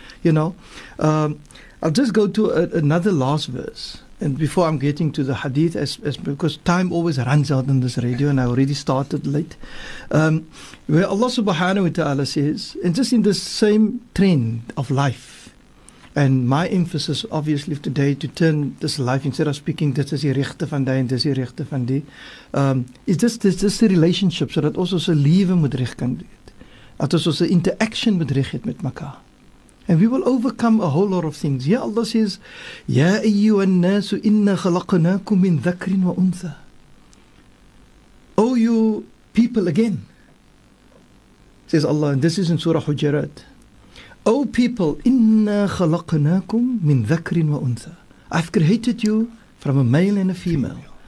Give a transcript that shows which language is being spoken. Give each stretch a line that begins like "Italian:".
English: You know, I'll just go to another last verse, and before I'm getting to the hadith, as because time always runs out on this radio, and I already started late, where Allah subhanahu wa ta'ala says, and just in the same trend of life, and my emphasis obviously today to turn this life, instead of speaking, this is the rechte van die and this is the rechte van die, is this the relationship, so that also
Afrikaans: se lewe moet reg kan doen. Dat ons se interaction moet reg het met mekaar.
English: And we will overcome a whole lot of things. Ja, Allah says,
Arabic: Ya ayyuhan nasu inna khalaqnakum min dhakrin wa untha.
English: O you people again, says Allah, and this is in Surah Hujarat. O people,
Arabic: inna khalaqnakum min dhakrin wa untha.
English: I've created you from a male and a female.